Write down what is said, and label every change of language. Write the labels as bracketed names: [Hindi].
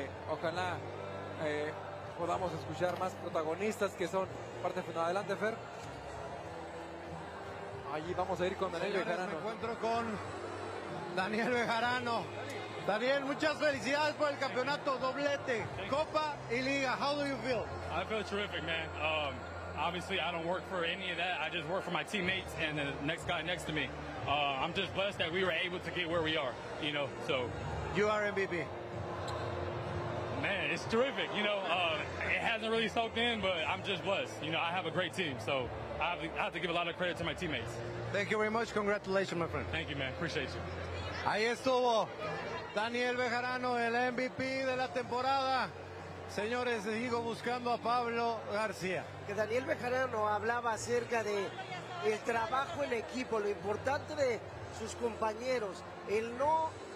[Spanish] Ojalá podamos escuchar más protagonistas que son parte final. Adelante, Fer. Allí vamos a ir con Daniel Bejarano. Me encuentro con Daniel Bejarano. Daniel, muchas felicidades por el campeonato, doblete, Copa y Liga. [English] How do you feel? I feel terrific, man. Obviously, I don't work for any of that. I just work for my teammates and the next guy next to me. I'm just blessed that we were able to get where we are, you know, so. You are MVP. Man, it's terrific, you know. It hasn't really soaked in, but I'm just blessed. You know, I have a great team, so I have to give a lot of credit to my teammates. Thank you very much. Congratulations, my friend. Thank you, man. Appreciate you. [Spanish] Ahí estuvo Daniel Bejarano, el MVP de la temporada. Señores, sigo buscando a Pablo García. Que Daniel Bejarano hablaba acerca de el trabajo en equipo, lo importante de sus compañeros, el no